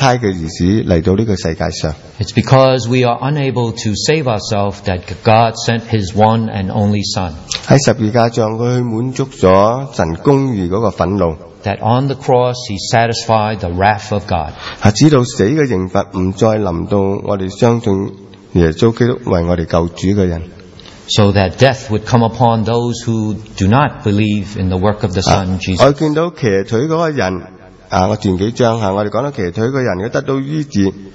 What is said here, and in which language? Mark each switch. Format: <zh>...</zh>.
<zh>就在这个我们自己没办法救我们自己的时候，神差的儿子来到这个世界上。</zh> <en>It's because we are unable to save ourselves that God sent His one and only Son.</en> <zh>在十字架上，他满足了神公义的愤怒。</zh> <en>That on the cross he satisfied the wrath of God.</en> <zh>直到死的刑罚不再临到我们相信耶稣基督为我们救主的人。</zh> <en>So that death would come upon those who do not believe in the work of the Son Jesus.</en> <zh>我看到骑腿那个人，我前几章，我们讲到骑腿那个人得到医治。</zh>